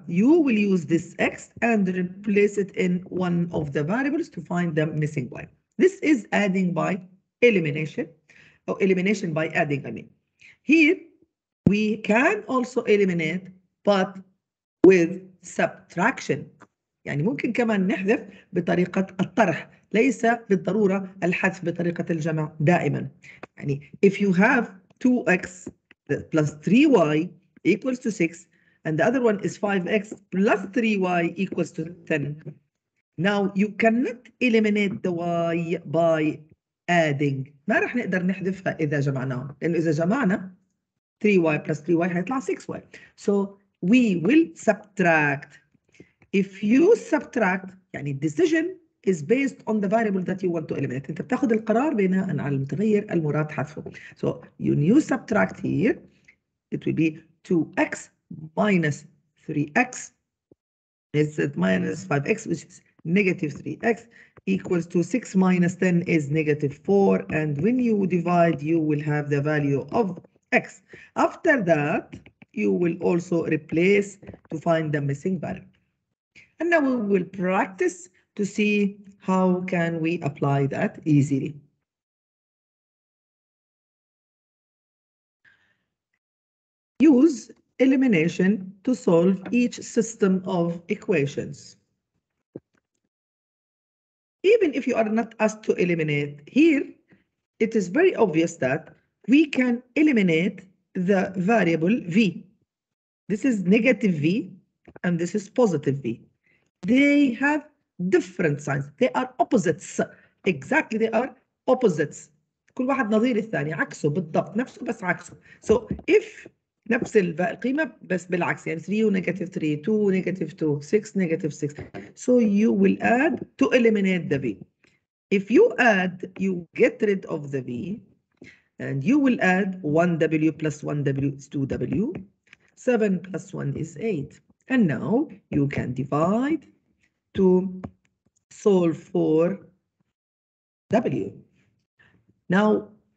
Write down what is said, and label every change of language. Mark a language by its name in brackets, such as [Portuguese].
[English] You will use this x and replace it in one of the variables to find the missing y. This is adding by elimination, or elimination by adding, I mean. Here, we can also eliminate, but with subtraction. [Arabic] يعني ممكن كمان نحذف بطريقة الطرح. ليس بالضرورة الحذف بطريقة الجمع دائما. [English] يعني, if you have 2x plus 3y, equals to 6, and the other one is 5x plus 3y equals to 10. Now, you cannot eliminate the y by adding. [Arabic] ما رح نقدر نحذفها إذا جمعناها. لأنه إذا جمعنا [English] 3y plus 3y [Arabic] هيطلع 6y. [English] So, we will subtract. If you subtract, يعني decision is based on the variable that you want to eliminate. [Arabic] أنت بتاخد القرار بناء على المتغير المراد حذفه. [English] So, when you subtract here, it will be 2x minus 3x is minus 5x, which is negative 3x equals to 6 minus 10 is negative 4. And when you divide, you will have the value of x. After that, you will also replace to find the missing variable. And now we will practice to see how can we apply that easily. Use elimination to solve each system of equations. Even if you are not asked to eliminate, here it is very obvious that we can eliminate the variable v. This is negative v and this is positive v. They have different signs. They are opposites. Exactly, they are opposites. [Arabic] كل واحد نظير الثاني عكسه بالضبط نفسه بس عكسه. [English] So if [Arabic] نفس القيمة بس بالعكس يعني [English] 3 ونيجاتيف 3 2 ونيجاتيف 2 6 negative 6 so you will add to eliminate the v if you add you get rid of the v and you will add 1w plus 1w is 2w 7 plus 1 is 8 and now you can divide to solve for w now